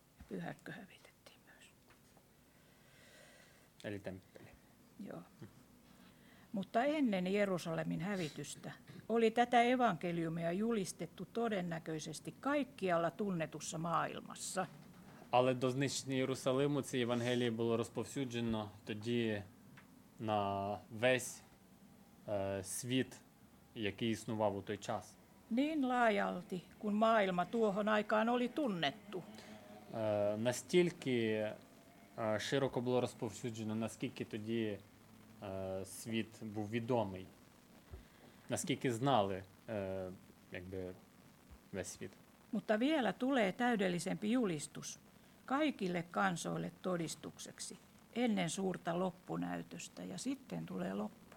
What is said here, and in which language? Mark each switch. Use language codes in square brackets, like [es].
[fi] Pyhäkkö hävitettiin myös. Eli temppeli. Joo. Mutta ennen Jerusalemin hävitystä oli tätä evankeliumia julistettu todennäköisesti kaikkialla tunnetussa maailmassa. [uk] Але до знищення Єрусалиму це Євангеліє було розповсюджено тоді на весь світ, який існував у той час. [fi] Niin laajalti, kun maailma tuohon aikaan oli tunnettu. [uk] Настільки широко було розповсюджено, наскільки тоді світ був відомий, наскільки знали якби весь світ. [fi] Mutta vielä tulee täydellisempi julistus kaikille kansoille todistukseksi ennen suurta loppunäytöstä ja sitten tulee loppu.